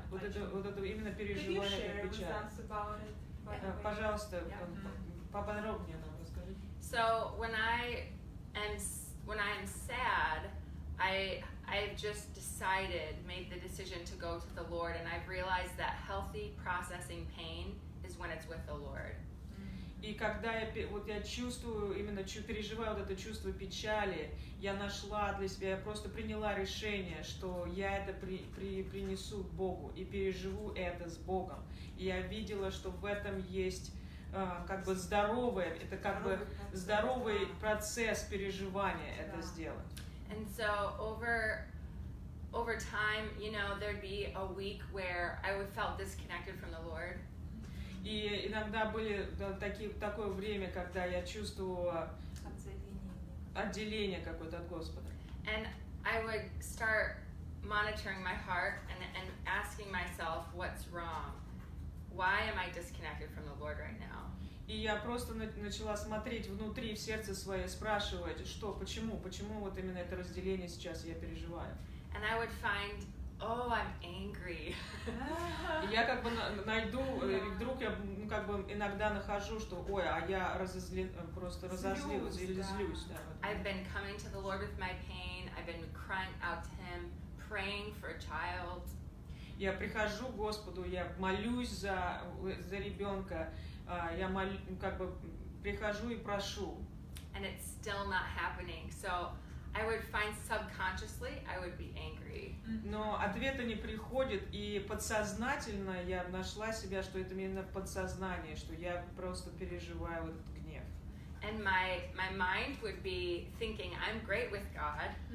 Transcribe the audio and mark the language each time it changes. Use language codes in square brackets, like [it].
[ru] Yeah, вот это именно переживание печаль. Пожалуйста, поподробнее нам расскажите. [en] So when I am sad, I've just decided, made the decision to go to the Lord, and I've realized that healthy processing pain is when it's with the Lord. [ru] И когда я чувствую, именно переживаю вот это чувство печали, я нашла для себя, я просто приняла решение, что я это принесу к Богу и переживу это с Богом. И я видела, что в этом есть как бы здоровое, это как бы здоровый процесс переживания это сделать. [en] And so over time, you know, there'd be a week where I would felt disconnected from the Lord. [ru] И иногда были такое время, когда я чувствовала отделение какое-то от Господа. [en] And I would start monitoring my heart and asking myself, what's wrong? Why am I disconnected from the Lord right now? [ru] И я просто начала смотреть внутри, в сердце свое, спрашивать, что, почему вот именно это разделение сейчас я переживаю. [en] And I would find, oh, I'm angry. [ru] Я как бы найду, вдруг я как бы иногда нахожу, что, ой, а я просто разозлилась или злюсь. [en] I've been coming to the Lord with my pain, I've been crying out to Him, praying for a child. [ru] Я прихожу к Господу, я молюсь за ребенка, я как бы прихожу и прошу. [en] And it's still not happening, so I would find subconsciously I would be angry. [ru] Но ответа не приходит, и подсознательно я нашла себя, что это именно подсознание, что я просто переживаю вот этот гнев. [en] And my mind would be thinking I'm great with God.